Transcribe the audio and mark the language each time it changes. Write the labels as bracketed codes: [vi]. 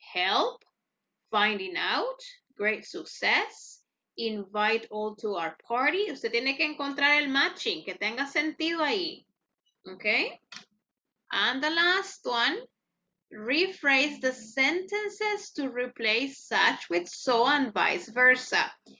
[en] Help, finding out, great success, invite all to our party. [es] Usted tiene que encontrar el matching, que tenga sentido ahí. Okay? [en] And the last one, rephrase the sentences to replace such with so and vice versa.